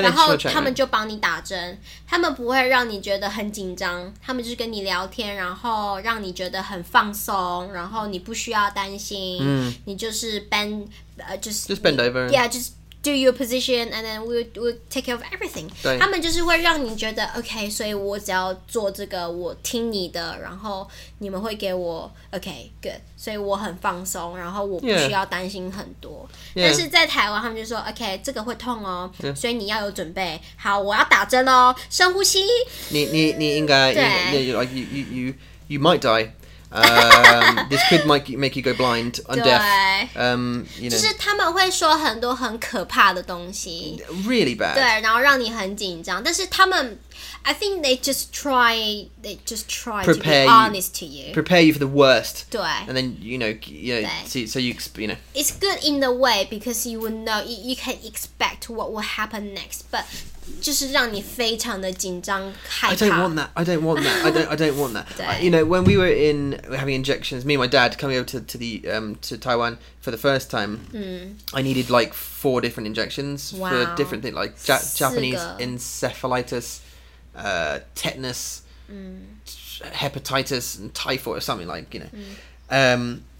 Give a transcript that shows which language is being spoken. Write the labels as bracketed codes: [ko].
[zh] 然后他们就帮你打针，他们不会让你觉得很紧张，他们就跟你聊天，然后让你觉得很放松，然后你不需要担心，你就是 [en] bend, just bend over. Yeah, just do your position and then we'll take care of everything. [zh] 对，他们就是会让你觉得 OK, 所以我只要做这个，我听你的，然后你们会给我 OK, good, 所以我很放松，然后我不需要担心很多。 [en] Yeah. [zh] 但是在台湾，他们就说 OK, 这个会痛哦， [en] yeah. [zh] 所以你要有准备。好，我要打针哦，深呼吸。你应该，对， [en] you might die. this could make you go blind and deaf. You know. [zh] 就是他们会说很多很可怕的东西 [en] ，really bad. [zh] 对，然后让你很紧张。但是他们 ， [en] I think they just try prepare to be honest to you, prepare you for the worst. [zh] 对 [en] ，and then you know, so you know. It's good in the way because you will know you can expect what will happen next, but. [zh] 就是让你非常的紧张害怕。 [en] I don't want that. You know, when we were in having injections, me and my dad coming over to Taiwan for the first time, I needed like four different injections for different things, like Japanese encephalitis, tetanus, hepatitis, and typhoid or something like, you know.